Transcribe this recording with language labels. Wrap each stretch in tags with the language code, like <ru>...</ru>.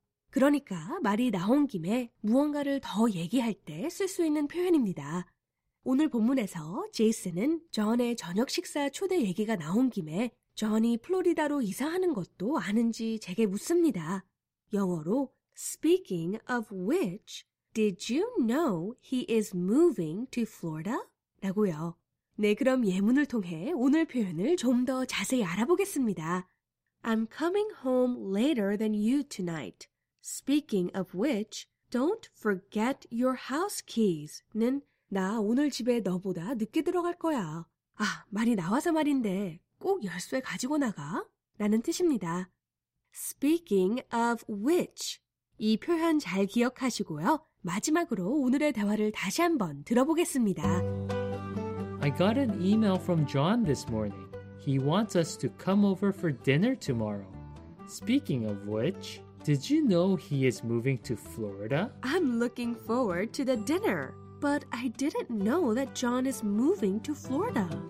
<ko>그러니까 말이 나온 김에 무언가를 더 얘기할 때 쓸 수 있는 표현입니다. 오늘 본문에서 제이슨은 존의 저녁 식사 초대 얘기가 나온 김에 존이 플로리다로 이사하는 것도 아는지 제게 묻습니다. 영어로</ko> <en>Speaking of which, did you know he is moving to Florida?</en> <ko>라고요. 네, 그럼 예문을 통해 오늘 표현을 좀 더 자세히 알아보겠습니다.</ko> <en>I'm coming home later than you tonight. Speaking of which, don't forget your house keys.</en> <ko>는 나 오늘 집에 너보다 늦게 들어갈 거야. 아, 말이 나와서 말인데 꼭 열쇠 가지고 나가? 라는 뜻입니다.</ko> <en>Speaking of which,</en> <ko>이 표현 잘 기억하시고요. 마지막으로 오늘의 대화를 다시 한번 들어보겠습니다.</ko> <en>I got an email from John this morning. He wants us to come over for dinner tomorrow. Speaking of which, did you know he is moving to Florida? I'm looking forward to the dinner, but I didn't know that John is moving to Florida.</en>